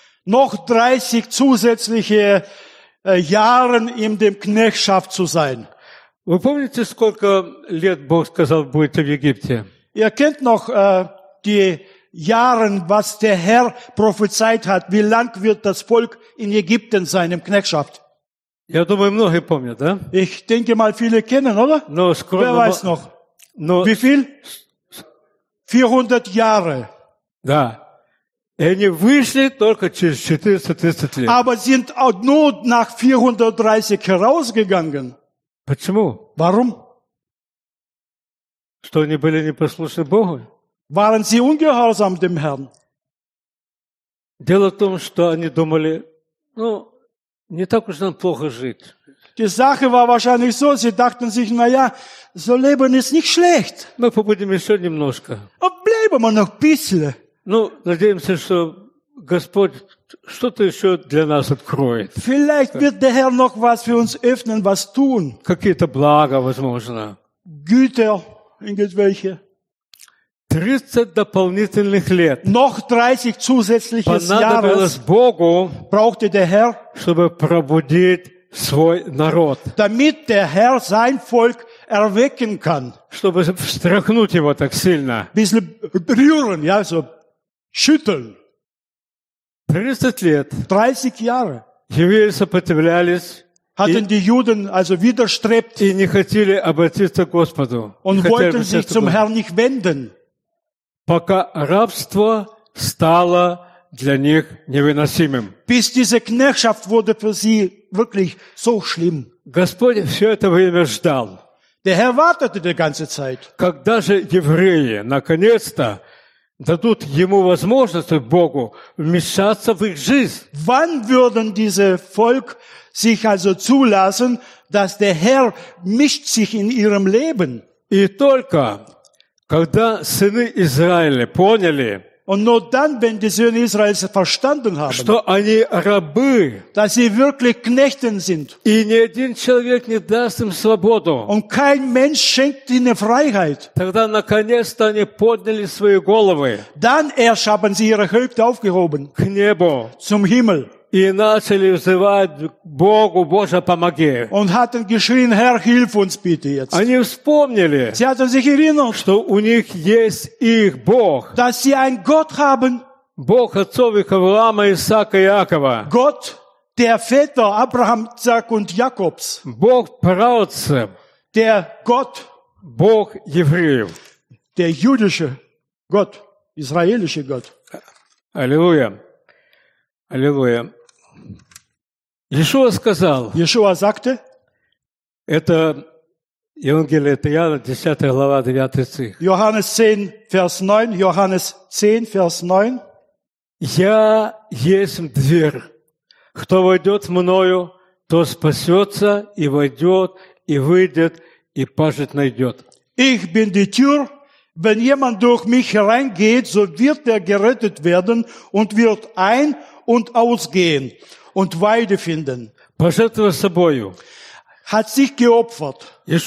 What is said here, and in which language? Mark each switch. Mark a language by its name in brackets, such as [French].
[German] Noch 30 zusätzliche Jahre in der Knechtschaft zu sein. [Russian] Вы помните, сколько лет Бог сказал, будете в Египте? [German] Ihr kennt noch die Jahre, was der Herr prophezeit hat, wie lang wird das Volk in Ägypten sein, in Knechtschaft? [Russian] Я думаю, многие помнят, да? [German] Ich denke mal, viele kennen, oder? [Russian] Но скромно... [German] Wer weiß noch? [Russian] Но... [German] Wie viel? 400 Jahre. [Russian] Да. И они вышли только через 430 лет. [German] Aber sind auch nur nach 430 herausgegangen. [Russian] Почему? [German] Warum? [Russian] Что они были непослушны Богу? [German] Waren sie ungehorsam dem Herrn? [Russian] Дело в том, что они думали, ну, не так уж нам плохо жить. [German] Die Sache war wahrscheinlich so, sie dachten sich, naja, so leben ist nicht schlecht. [Russian] Мы побудем еще немножко. [German] Bleiben wir noch ein bisschen. [Russian] Ну, надеемся, что Господь что-то еще для нас откроет. [German] Vielleicht wird der Herr noch was für uns öffnen, was tun. [Russian] Какие-то блага, возможно. [German] Güter, irgendwelche. [Russian] 30 дополнительных лет. [German] Noch 30 zusätzliches Jahres. [Russian] Понадобилось Богу, [German] brauchte der Herr, [Russian] чтобы пробудить свой народ. [German] Damit der Herr sein Volk erwecken kann. [Russian] Чтобы встряхнуть его так сильно. [German] Bisschen rühren, ja, so schütteln. [Russian] 30 лет. [German] 30 Jahre. [Russian] Евреи сопротивлялись. [German] Hatten die Juden also widerstrebt. [Russian] И не хотели обратиться к Господу. [German] Und wollten sich zum Herrn nicht wenden. [Russian] Пока рабство стало для них невыносимым. [German] Bis diese Knechtschaft wurde für sie wirklich so schlimm. [Russian] Господь все это время ждал. [German] Der Herr wartete die ganze Zeit. [Russian] Когда же евреи наконец-то дадут ему возможность, Богу, вмешаться в их жизнь? [German] Wann würden diese Volk sich also zulassen, dass der Herr mischt sich in ihrem Leben? [Russian] И только когда сыны Израиля поняли, [German] und nur dann, wenn die Söhne Israels verstanden haben, [Russian] что они рабы, [German] dass sie wirklich Knechten sind, [Russian] и ни один человек не даст им свободу, [German] und kein Mensch schenkt ihnen Freiheit, [Russian] тогда наконец-то они подняли свои головы, [German] dann erst haben sie ihre Häupter aufgehoben, [Russian] к небу, [German] zum Himmel, [Russian] и начали взывать к Богу, Боже, помоги. [German] Und hatten geschrien, Herr, hilf uns bitte jetzt. [Russian] Они вспомнили, [German] sie hatten sich erinnert, [Russian] что у них есть их Бог. [German] Dass sie einen Gott haben. [Russian] Бог отцов их Авраама, Исаака и Иакова. [German] Gott, der Väter Abraham, Isaac und Jakobs. [Russian] Бог праотцев. [German] Der Gott. [Russian] Бог евреев. [German] Der jüdische Gott, israelische Gott. [Russian] Аллилуйя. Аллилуйя. Иешуа сказал. [German] Иешуа sagte. [Russian] Это Евангелие от Иоанна, 10 глава, 9 стих. [German] Johannes 10, Vers 9. Johannes 10, Vers 9. [Russian] Я есть дверь. Кто войдет мною, то спасется и войдет, и выйдет, и пажить найдет. [German] Ich bin die Tür. Wenn jemand durch mich hereingeht, so wird er gerettet werden und wird ein- und ausgehen und Weide finden. Hat sich geopfert.